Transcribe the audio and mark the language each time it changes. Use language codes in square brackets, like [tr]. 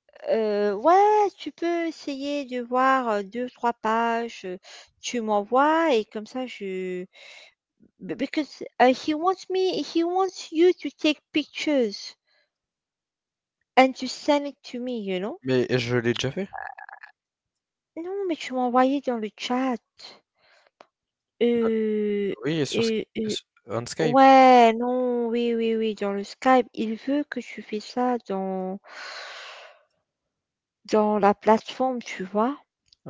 [fr] ouais, tu peux essayer de voir deux, trois pages, tu m'envoies et comme ça je. [en] Because he wants you to take pictures and to send it to me, you know? [fr] Mais je l'ai déjà fait. Non, mais tu m'as envoyé dans le chat. Oui, sur on Skype. Ouais, non, oui, dans le Skype. Il veut que tu fais ça dans la plateforme, tu vois, et